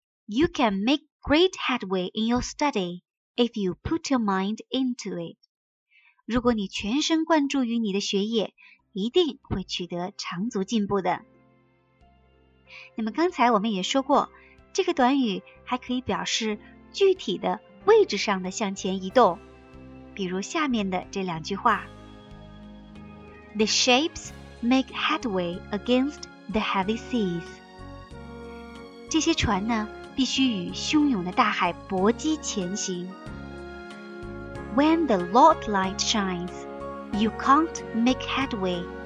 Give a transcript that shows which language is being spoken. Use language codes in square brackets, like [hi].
[en] You can make great headway in your study if you put your mind into it. [zh] 如果你全神贯注于你的学业，一定会取得长足进步的。那么刚才我们也说过，这个短语还可以表示具体的位置上的向前移动，比如下面的这两句话。 [en] The ships make headway against the heavy seas. [zh] 这些船呢，必须与汹涌的大海搏击前行。 [en] When the Lord light shines, you can't make headway.